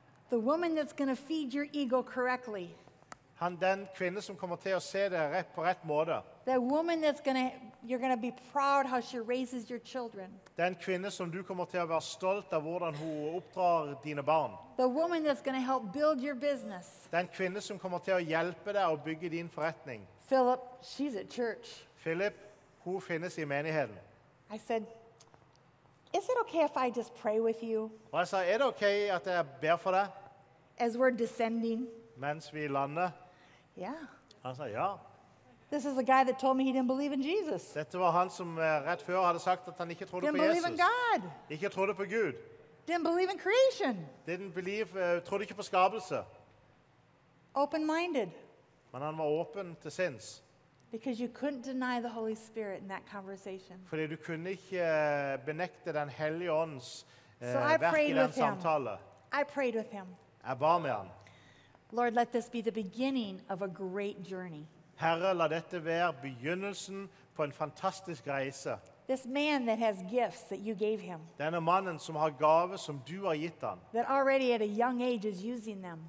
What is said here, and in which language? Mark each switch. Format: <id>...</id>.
<en>The woman that's going to feed your ego correctly.</en> <no>Han den kvinne som kommer til å se det rett på rett måte.</no> <en>The woman that's going to you're going to be proud how she raises your children.</en> <no>Den kvinne som du kommer til å være stolt av hvordan hun oppdrar dine barn.</no> <en>The woman that's going to help build your business.</en> <no>Den kvinne som kommer til å hjelpe deg å bygge din forretning.</no> <en>Philip, she's at church.</en> <no>Philip, hun finnes I menigheten.</no> <en>I said Is it okay if I just pray with you?</en> <no>Jeg sa, det okay at jeg ber for deg?</no> <en>As we're descending.</en> <no>Mens vi lander.</no> <en>Yeah.</en> <no>Han sa, ja.</no> <en>This is the guy that told me he didn't believe in Jesus.</en> <no>Dette var han som rett før hadde sagt at han ikke trodde</no> <en>didn't</en> <no>på Jesus.</no> <en>Didn't believe in God.</en> <no>Ikke trodde på Gud.</no> <en>Didn't believe in creation. Didn't believe,</en> <no>trodde ikke på skapelse.</no> <en>Open-minded.</en> <no>Men han var åpen til sinns.</no> <en>Because you couldn't deny the Holy Spirit in that conversation.</en> <no>Fordi du kunne ikke benekte den hellige ånds verk I den samtale.</no> <en>I prayed with him.</en> <no>Jeg ba med han.</no> <en>Lord, let this be the beginning of a great journey.</en> <no>Herre, la dette være begynnelsen på en fantastisk reise.</no> <en>This man that has gifts that you gave him.</en> <no>Denne mannen som har gave som du har gitt han.</no> <en>That already at a young age is using them.</en>